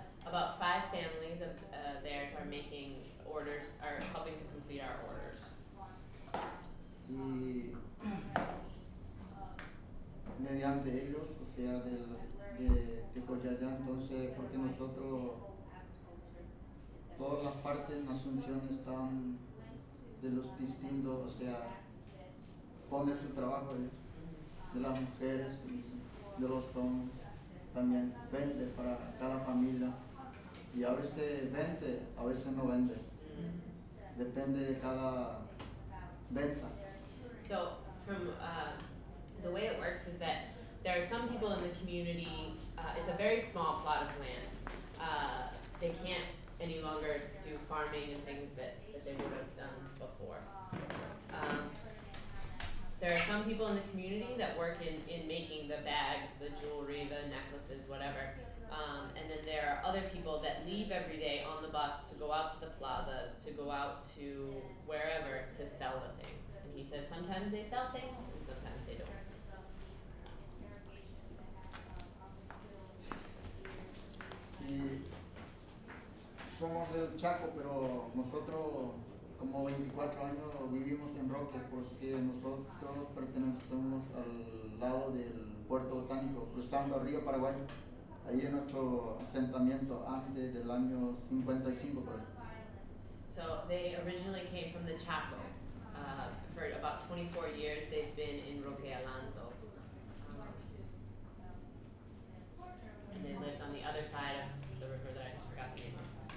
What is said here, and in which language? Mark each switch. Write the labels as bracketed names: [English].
[English] About 5 families of theirs are making orders, are helping to complete our orders. [Spanish] Y mediante ellos, o sea, de Coyoacán, entonces, porque nosotros, todas las partes en Asunción están de los distintos, o sea, pone su trabajo de las mujeres y de los hombres también vende para cada familia y a veces vende, a veces no vende, depende de cada venta. [English] So from the way it works is that there are some people in the community. It's a very small plot of land. They can't any longer do farming and things that they would have done before. There are some people in the community that work in making the bags, the jewelry, the necklaces, whatever. And then there are other people that leave every day on the bus to go out to the plazas, to go out to wherever to sell the things. And he says sometimes they sell things and sometimes they don't. [Spanish] Somos del Chaco, pero nosotros como 24 años vivimos en Roque porque nosotros pertenecemos al lado del puerto botánico, cruzando el río Paraguay. Ahí es nuestro asentamiento antes del año 55 por ahí. [English] So they originally came from the Chaco. For about 24 years they've been in Roque Alonso. And they lived on the other side of the river that I just forgot the name of.